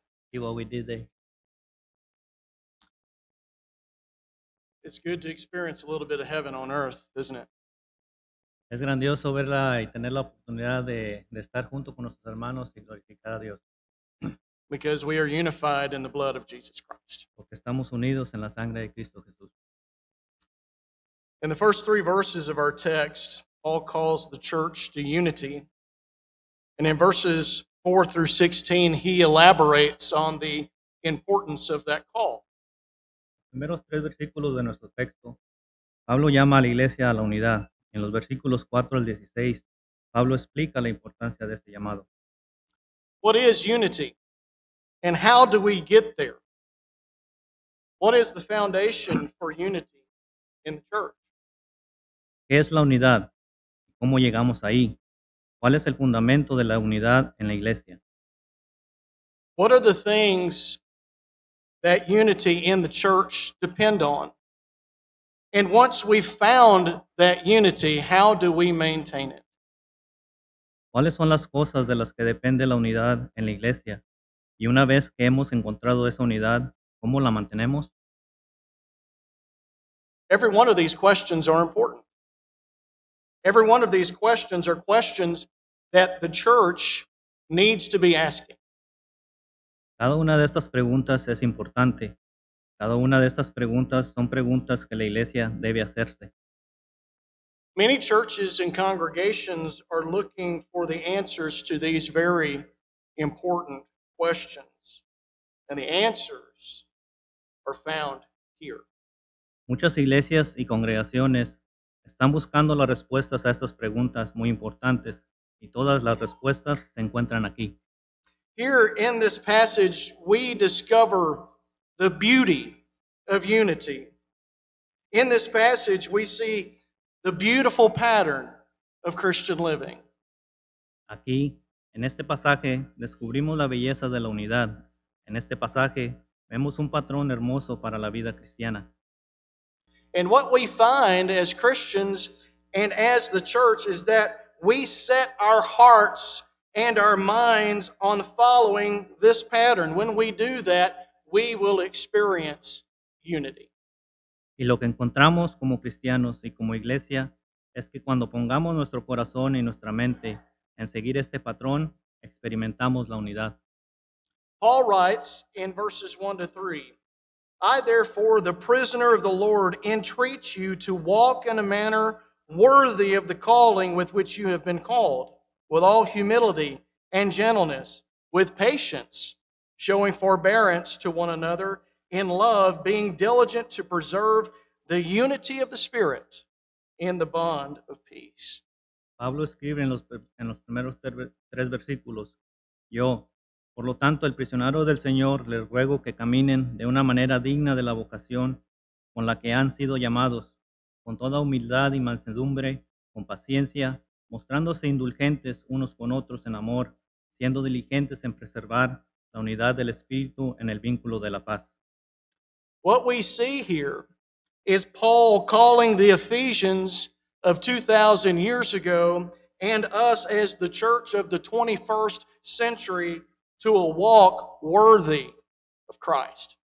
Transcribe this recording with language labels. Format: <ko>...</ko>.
<en>See what we did there. It's good to experience a little bit of heaven on earth, isn't it?</en> <es>Es grandioso verla y tener la oportunidad de estar junto con nuestros hermanos y glorificar a Dios.</es> <en>Because we are unified in the blood of Jesus Christ.</en> <es>Porque estamos unidos en la sangre de Cristo Jesús.</es> <en>In the first three verses of our text, Paul calls the church to unity. And in verses 4 through 16, he elaborates on the importance of that call.</en> <es>Los primeros tres versículos de nuestro texto, Pablo llama a la iglesia a la unidad. En los versículos 4 al 16, Pablo explica la importancia de este llamado.</es> <en>What is unity? And how do we get there? What is the foundation for unity in the church?</en> <es>¿Qué es la unidad? ¿Cómo llegamos ahí? ¿Cuál es el fundamento de la unidad en la iglesia?</es> <en>What are the things that unity in the church depend on? And once we've found that unity, how do we maintain it?</en> <es>¿Cuáles son las cosas de las que depende la unidad en la iglesia? Y una vez que hemos encontrado esa unidad, ¿cómo la mantenemos?</es> <en>Every one of these questions are important. Every one of these questions are questions that the church needs to be asking.</en> <es>Cada una de estas preguntas es importante. Cada una de estas preguntas son preguntas que la iglesia debe hacerse.</es> <en>Many churches and congregations are looking for the answers to these very important questions. And the answers are found here.</en> <es>Muchas iglesias y congregaciones están buscando las respuestas a estas preguntas muy importantes, y todas las respuestas se encuentran aquí.</es> <en>Here in this passage, we discover the beauty of unity. In this passage, we see the beautiful pattern of Christian living.</en> <es>Aquí, en este pasaje, descubrimos la belleza de la unidad. En este pasaje, vemos un patrón hermoso para la vida cristiana.</es> <en>And what we find as Christians and as the church is that we set our hearts and our minds on following this pattern. When we do that, we will experience unity.</en> <es>Y lo que encontramos como cristianos y como iglesia es que cuando pongamos nuestro corazón y nuestra mente en seguir este patrón, experimentamos la unidad.</es> <en>Paul writes in verses 1 to 3, I therefore, the prisoner of the Lord, entreat you to walk in a manner worthy of the calling with which you have been called, with all humility and gentleness, with patience, showing forbearance to one another, in love, being diligent to preserve the unity of the Spirit and the bond of peace.</en> <es>Pablo escribe en los primeros tres versículos, yo, por lo tanto, el prisionero del Señor, les ruego que caminen de una manera digna de la vocación con la que han sido llamados, con toda humildad y mansedumbre, con paciencia, mostrándose indulgentes unos con otros en amor, siendo diligentes en preservar la unidad del Espíritu en el vínculo de la paz.</es> <en>What we see here is Paul calling the Ephesians of 2,000 years ago and us as the church of the 21st century to a walk worthy of Christ.</en>